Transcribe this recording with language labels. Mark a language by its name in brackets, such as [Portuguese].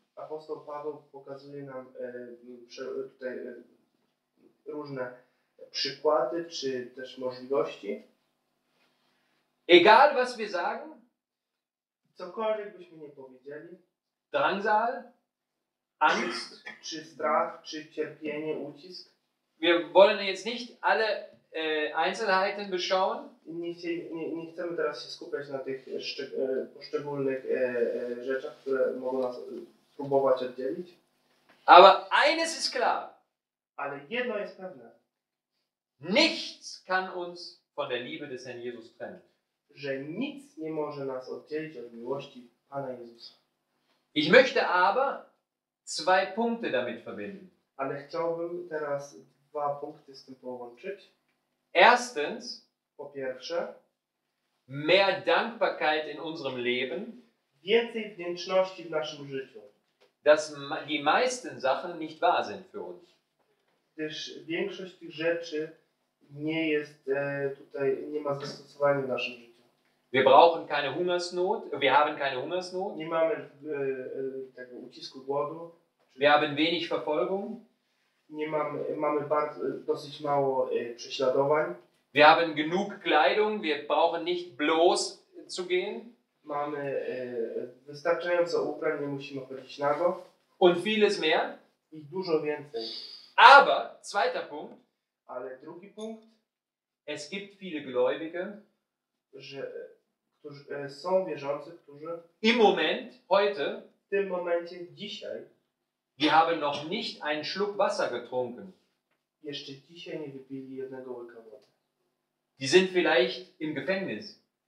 [Polish] Apostel Paweł pokazuje nam tutaj różne przykłady, czy też możliwości. [German] Egal, was wir sagen, [Polish] cokolwiek byśmy nie powiedzieli, [German] Drangsal, Angst, [Polish] czy strach, czy cierpienie, ucisk. [German] Wir wollen jetzt nicht alle Einzelheiten beschauen. [Polish] Nie chcemy teraz się skupiać na tych poszczególnych rzeczach, które mogą nas próbować oddzielić. [German] Aber eines ist klar. [Polish] Ale jedno jest pewne. [German] Nichts kann uns von der Liebe des Herrn Jesus trennen. [Polish] Że nic nie może nas oddzielić od miłości Pana Jezusa. [German] Ich möchte aber zwei Punkte damit verbinden. [Polish] Ale chciałbym teraz dwa punkty z tym połączyć. [German] Erstens, [Polish] po pierwsze, [German] mehr Dankbarkeit in unserem Leben. [Polish] Więcej wdzięczności w naszym życiu. [German] Dass die meisten Sachen nicht wahr sind für uns. [Polish] Gdyż większość tych rzeczy nie jest tutaj, nie ma zastosowania w naszym życiu. [German] Wir brauchen keine Hungersnot. Wir haben keine Hungersnot. [Polish] Nie mamy tego ucisku głodu. [German] Wir haben wenig Verfolgung. [Polish] Nie mamy bardzo, dosyć mało prześladowań. [German] Wir haben genug Kleidung. Wir brauchen nicht bloß zu gehen. [Polish] Mamy wystarczająco ubrań, nie musimy chodzić nago. [German] Und vieles mehr. [Polish] I dużo więcej. [German] Aber, zweiter Punkt. [Polish] Ale drugi punkt. [German] Es gibt viele Gläubige. [Polish] Że są wierzący, którzy [German] im Moment, heute, [Polish] w tym momencie, dzisiaj, [German] wir haben noch nicht einen Schluck Wasser getrunken. [Polish] Jeszcze dzisiaj nie wypili jednego łyka wody. [German] Die sind vielleicht im Gefängnis.